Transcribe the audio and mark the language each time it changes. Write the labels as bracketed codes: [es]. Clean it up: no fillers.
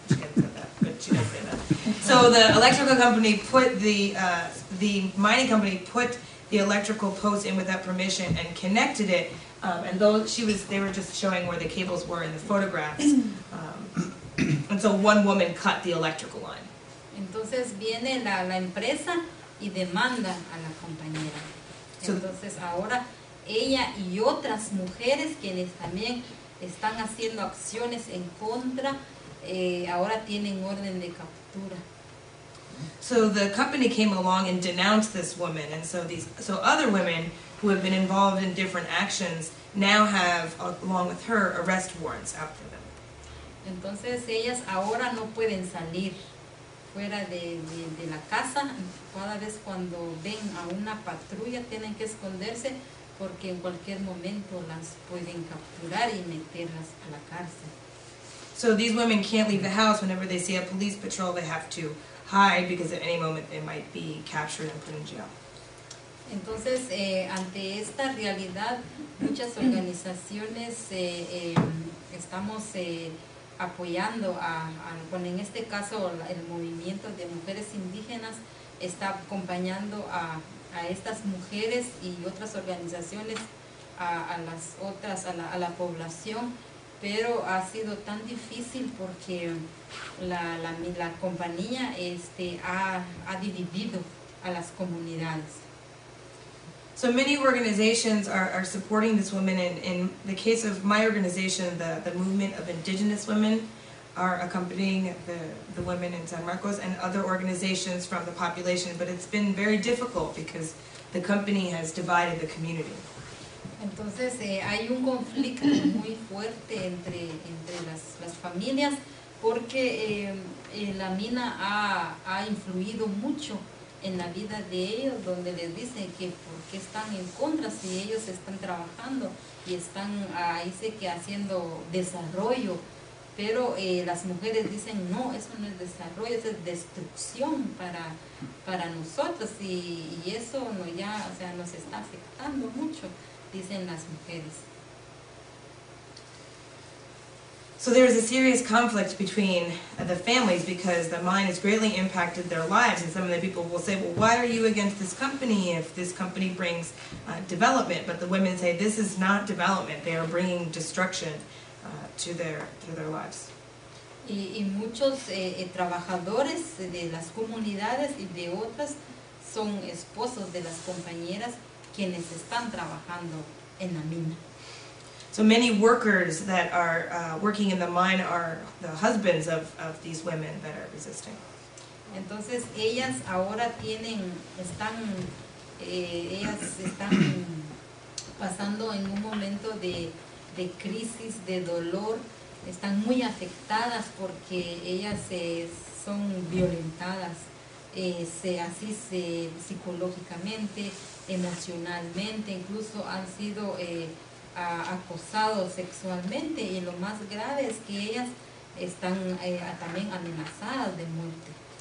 [en] She didn't say that, but she didn't say that. So the electrical company put the mining company put the electrical post in without permission and connected it. And though they were just showing where the cables were in the photographs. And so one woman cut the electrical line. [es] Entonces viene la empresa y demanda a la compañera. Entonces ahora ella y otras mujeres quienes también están haciendo acciones en contra, ahora tienen orden de captura. [en] So the company came along and denounced this woman, and so other women who have been involved in different actions now have, along with her, arrest warrants out for them. [es] Entonces ellas ahora no pueden salir fuera de la casa. Cada vez cuando ven a una patrulla tienen que esconderse, porque en cualquier momento las pueden capturar y meterlas a la cárcel. [en] So these women can't leave the house. Whenever they see a police patrol, they have to hide because at any moment they might be captured and put in jail. [es] Entonces, ante esta realidad, muchas organizaciones estamos apoyando bueno, en este caso el movimiento de mujeres indígenas está acompañando a estas mujeres y otras organizaciones, a las otras, a la población, pero ha sido tan difícil porque la compañía ha dividido a las comunidades. [en] So many organizations are supporting this woman, and in the case of my organization, the Movement of Indigenous Women are accompanying the women in San Marcos and other organizations from the population, but it's been very difficult because the company has divided the community. [es] Entonces hay un conflicto muy fuerte entre las familias porque la mina ha influido mucho en la vida de ellos, donde les dicen que por qué están en contra si ellos están trabajando y están ahí sé que haciendo desarrollo. Pero las mujeres dicen, no, eso no es desarrollo, eso es destrucción para nosotros. Y eso nos está afectando mucho, dicen las mujeres. [en] So there is a serious conflict between the families because the mine has greatly impacted their lives. And some of the people will say, well, why are you against this company if this company brings development? But the women say, this is not development, they are bringing destruction to their lives. [es] Y muchos trabajadores de las comunidades y de otras son esposos de las compañeras quienes están trabajando en la mina. [en] So many workers that are working in the mine are the husbands of these women that are resisting. [es] Entonces ellas ahora están pasando en un momento de crisis, de dolor, están muy afectadas porque ellas son violentadas, psicológicamente, emocionalmente, incluso han sido acosados sexualmente, y lo más grave es que ellas están también amenazadas de muerte.